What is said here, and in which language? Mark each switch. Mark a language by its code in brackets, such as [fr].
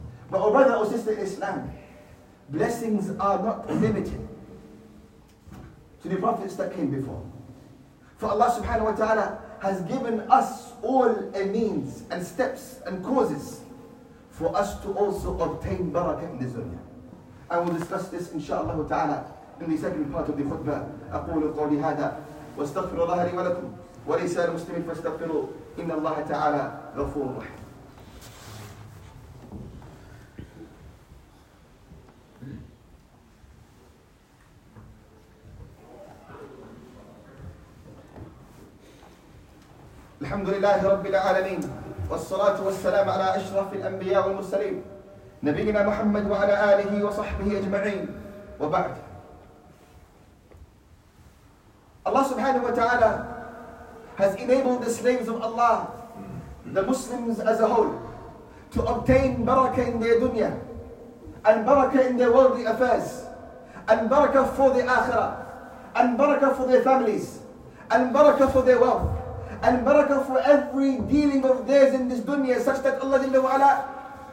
[en] But oh brother, oh sister in Islam, blessings are not limited to the prophets that came before. For Allah subhanahu wa ta'ala has given us all a means and steps and causes for us to also obtain barakah in this dunya. I will discuss this inshallah ta'ala in the second part of the khutbah. [ar] أقول قولي هذا واستغفر الله لي ولكم وليس المسلمين فاستغفروا إن الله تعالى غفور رحيم. الحمد لله رب العالمين والصلاة والسلام على أشرف الأنبياء والمرسلين نبينا محمد وعلى آله وصحبه أجمعين وبعد. [en] Allah subhanahu wa ta'ala has enabled the slaves of Allah, the Muslims as a whole, to obtain barakah in their dunya and barakah in their worldly affairs and barakah for the akhirah and barakah for their families and barakah for their wealth and barakah for every dealing of theirs in this dunya, such that Allah jalla wa ala